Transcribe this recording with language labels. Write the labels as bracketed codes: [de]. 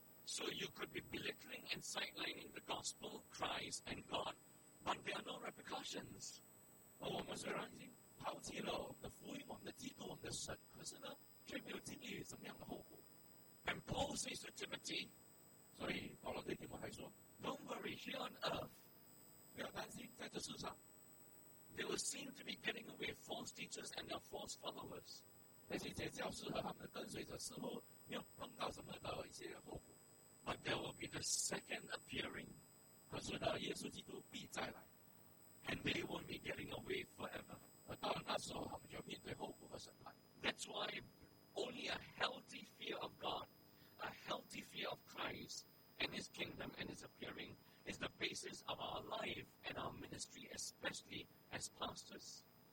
[en] So you could be belittling and sidelining the gospel, Christ, and God, but there are no repercussions. [zh] 我们虽然已经抛弃了我们的福音、我们的基督、我们的神，可是呢，却没有经历怎么样的后果。 [en] And Paul says to Timothy, [zh] 所以保罗对提摩太说， [en] Don't worry, here on earth, [zh] 不要担心，在这世上， [en] they will seem to be getting away false teachers and their false followers. [zh] 那些教师和他们的跟随者似乎没有碰到什么的一些后果。 [en] But there will be the second appearing. [zh] 可是呢，耶稣基督必再来， [en] and they won't be getting away forever. [zh] 而到了那时候，他们就要面对后果和审判。 [en] That's why only a healthy fear of God, a healthy fear of Christ and His kingdom and His appearing is the basis of our life and our ministry, especially as pastors.